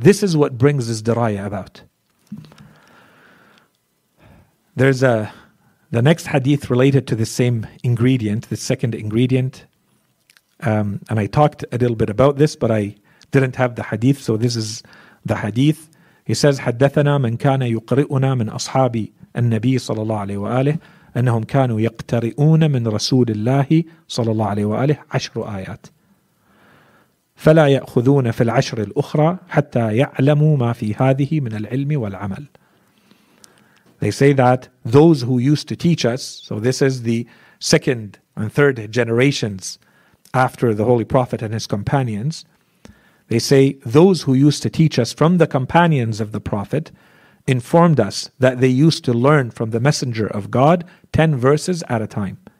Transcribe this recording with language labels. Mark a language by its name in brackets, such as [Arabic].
[English] This is what brings this diraya about. There's a the next hadith related to the same ingredient, the second ingredient. And I talked a little bit about this, but I didn't have the hadith, so this is the hadith. He says, [Arabic] حدثنا من كان يقرئنا من أصحاب النبي صلى الله عليه وآله أنهم كانوا يقترئون من رسول الله صلى الله عليه وآله عشر آيات فلا يأخذون في العشر الأخرى حتى يعلموا ما في هذه من العلم والعمل. [English] They say that those who used to teach us, so this is the second and third generations after the Holy Prophet and his companions, they say, those who used to teach us from the companions of the Prophet informed us that they used to learn from the Messenger of God 10 verses at a time.